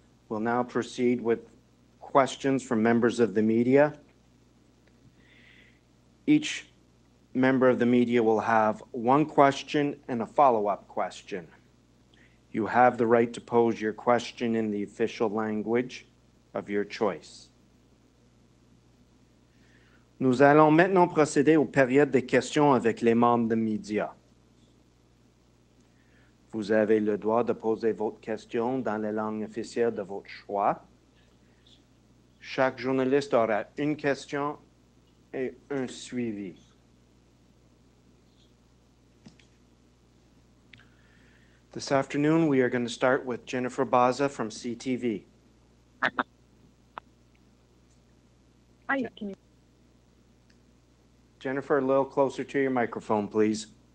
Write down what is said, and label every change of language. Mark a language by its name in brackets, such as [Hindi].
[English] We'll now proceed with questions from members of the media. Each member of the media will have one question and a follow-up question. You have the right to pose your question in the official language of your choice. [French] Nous allons maintenant procéder aux périodes de questions avec les membres des médias. Vous avez le droit de poser votre question dans la langue officielle de votre choix. Chaque journaliste aura une question et un suivi. [English] This afternoon, we are going to start with Jennifer Baza from CTV. Hi, can you? Jennifer, a little closer to your microphone, please.